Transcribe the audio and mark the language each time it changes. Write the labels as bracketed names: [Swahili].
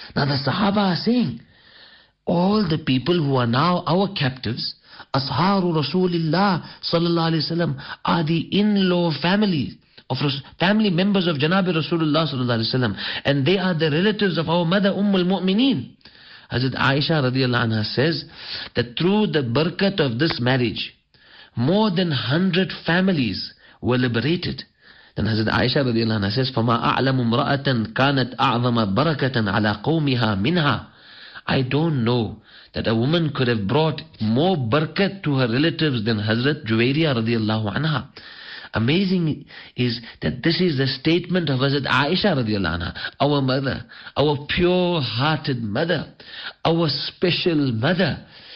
[English] Now the Sahaba are saying, all the people who are now our captives, Asharu Rasulillah sallallahu alayhi wa sallam, are the in-law family of family members of Janabi Rasulullah sallallahu alayhi wa sallam, and they are the relatives of our mother Ummul Mu'mineen. Hazrat Aisha radiallahu anha says that through the barakat of this marriage, more than 100 families were liberated. Then Hazrat Aisha radiallahu anha says, [Arabic] فَمَا أَعْلَمُ مْرَأَةً كَانَتْ أَعْظَمَ بَرَكَةً عَلَىٰ قَوْمِهَا مِنْهَا. [English] I don't know that a woman could have brought more barakat to her relatives than Hazrat Juwayriyah radiallahu anha. Amazing is that this is the statement of Hazrat Aisha radiallahu anha, our mother, our pure-hearted mother, our special mother.